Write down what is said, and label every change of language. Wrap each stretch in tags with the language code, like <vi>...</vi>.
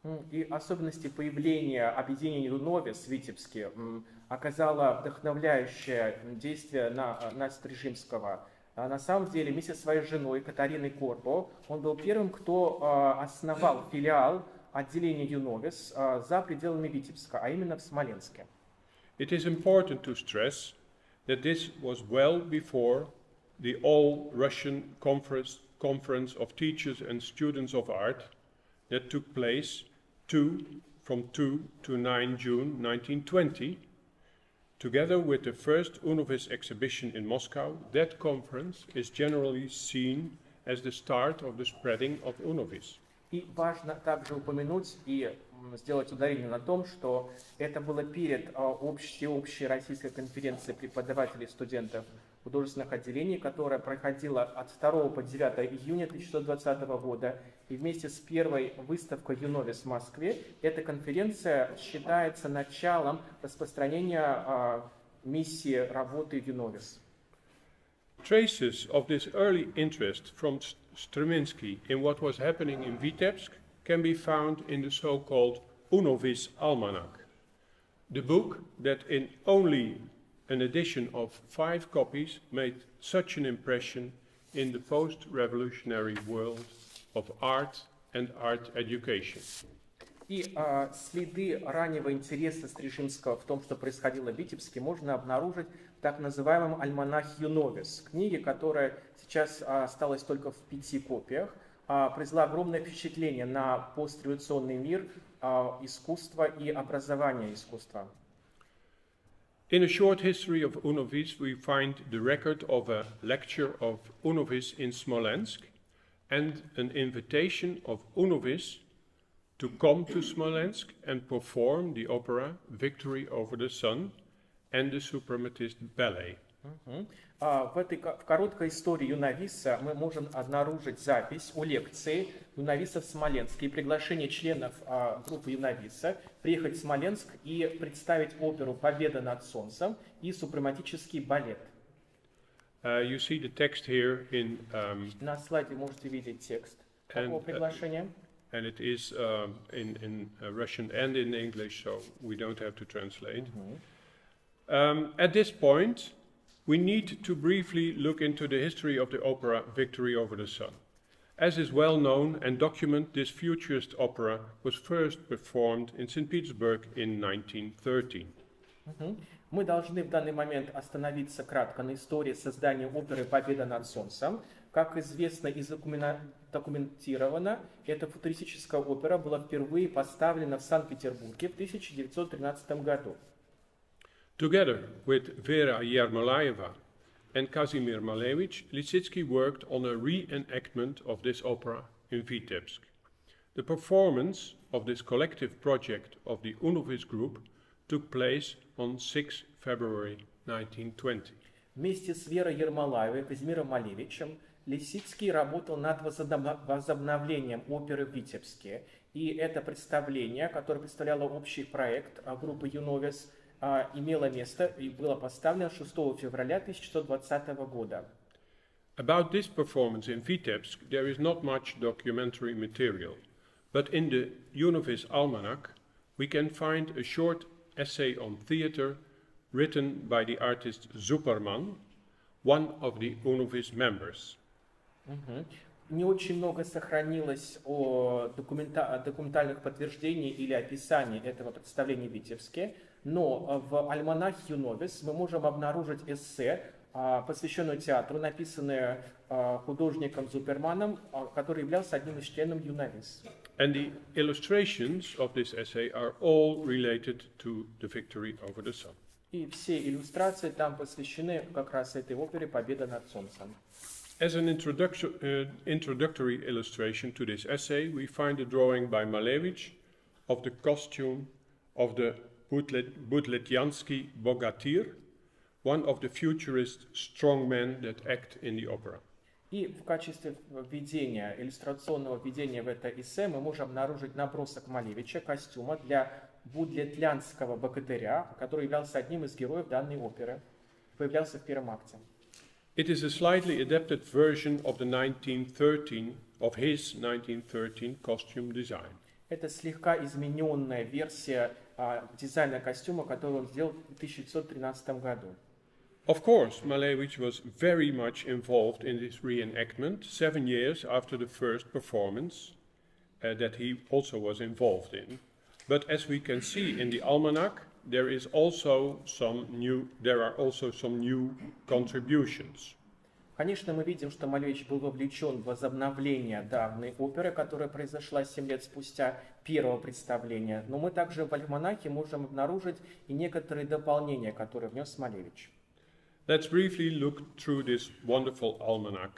<ru>И особенности появления объединения UNOVIS в Витебске оказало вдохновляющее действие на Стрижимского. На самом деле, вместе со своей женой Катариной Корбо, он был первым, кто основал филиал отделения ЮНОВИС за пределами Витебска, а именно в Смоленске.</ru> <en>It is important to stress that this was well before the all-Russian conference of teachers and students of art that took place from 2 to 9 June 1920. Together with the first UNOVIS exhibition in Moscow, that conference is generally seen as the start of the spreading of UNOVIS.</en> <ru>И важно также упомянуть и сделать ударение на том, что это было перед всеобщей российской конференцией преподавателей и студентов художественных отделений, которая проходила от 2 по 9 июня 1920 года. И вместе с первой выставкой ЮНОВИС в Москве эта конференция считается началом распространения миссии работы ЮНОВИС.</ru> <en>Traces of this early interest from Stravinsky in what was happening in Vitebsk can be found in the so-called UNOVIS Almanac, the book that in only an edition of 5 copies made such an impression in the post-revolutionary world of art and art education.</en> <ru>И следы раннего интереса Стрижинского в том, что происходило в Витебске, можно обнаружить в так называемом альманахе ЮНОВИС, книге, которая сейчас осталась только в 5 копиях, произвела огромное впечатление на постреволюционный мир искусства и образования искусства.</ru> <en>In a short history of UNOVIS, we find the record of a lecture of UNOVIS in Smolensk and an invitation of UNOVIS to come to Smolensk and perform the opera Victory over the Sun and the Suprematist Ballet.</en> <ru>В короткой истории ЮНОВИСа мы можем обнаружить запись о лекции ЮНОВИСа в Смоленске и приглашение членов группы ЮНОВИСа приехать в Смоленск и представить оперу «Победа над солнцем» и супрематический балет.</ru> <en>You see the text here in,</en> <ru>на слайде можете видеть текст такого приглашения.</ru> <en>And it is in Russian and in English, so we don't have to translate. Mm-hmm. At this point, we need to briefly look into the history of the opera Victory over the Sun. As is well known and documented, this futurist opera was first performed in St. Petersburg in 1913. Mm-hmm.</en> <ru>Мы должны в данный момент остановиться кратко на истории создания оперы «Победа над солнцем». Как известно и документировано, эта футуристическая опера была впервые поставлена в Санкт-Петербурге в 1913 году.</ru> <en>Together with Vera Ермолаева and Казимир Малевич, Лисицкий worked on a reenactment of this opera in Vitebsk. The performance of this collective project of the UNOVIS group took place on 6 February 1920.</en> <ru>Вместе с Верой Ермолаевой и Казимиром Малевичем Лисицкий работал над возобновлением оперы в Витебске. И это представление, которое представляло общий проект группы ЮНОВИС, имело место и было поставлено 6 февраля 1920 года.</ru> <en>About this performance in Vitebsk, there is not much documentary material. But in the UNOVIS Almanac, we can find a short essay on theater written by the artist Zuperman, one of the UNOVIS members.</en> <ru>Не очень много сохранилось о документальных подтверждений или описаний этого представления в Витебске, но в альманахе ЮНОВИС мы можем обнаружить эссе, посвященное театру, написанное художником Зуперманом, который являлся одним из членов ЮНОВИС.</ru> <en>And the illustrations of this essay are all related to the Victory over the Sun.</en> <ru>И все иллюстрации там посвящены как раз этой опере «Победа над солнцем».</ru> <en>As an introductory illustration to this essay, we find a drawing by Малевич of the costume of the</en> <ru>Будлетянский богатир,</ru> <en>one of the futurist strongmen that act in the opera.</en> <ru>И в качестве введения, иллюстрационного введения в это эссе, мы можем обнаружить набросок Малевича, костюма для будлетлянского богатыря, который являлся одним из героев данной оперы, появлялся в первом акте.</ru> <en>It is a slightly adapted version of the 1913, of his 1913 costume design.</en> <ru>Это слегка измененная версия дизайна костюма, который он сделал в 1913 году.</ru> <en>Of course, Malevich was very much involved in this reenactment 7 years after the first performance that he also was involved in. But as we can see in the almanac, there are also some new contributions.</en> <ru>Конечно, мы видим, что Малевич был вовлечен в возобновление данной оперы, которая произошла 7 лет спустя первого представления. Но мы также в альманахе можем обнаружить и некоторые дополнения, которые внес Малевич.</ru> <en>Let's briefly look through this wonderful almanac.</en>